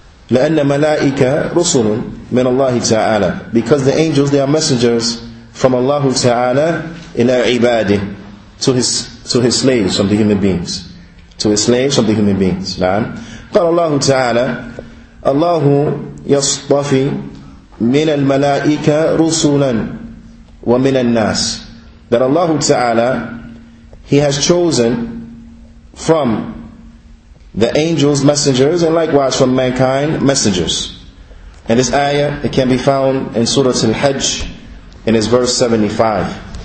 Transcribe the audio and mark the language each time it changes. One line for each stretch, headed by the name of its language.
Arabic: لأن ملائكة رسول من الله تعالى.
English: Because the angels, they are messengers from Allah
Arabic: تعالى إلى عباده,
English: to his slaves, from the human beings. To his slaves, from the human beings. Naam.
Arabic: قال الله تعالى الله يصطفي من الملائكة رسولا ومن الناس.
English: That Allah تعالى, He has chosen from the angels messengers, and likewise from mankind messengers. And this ayah, it can be found in Surah Al-Hajj, in its verse 75.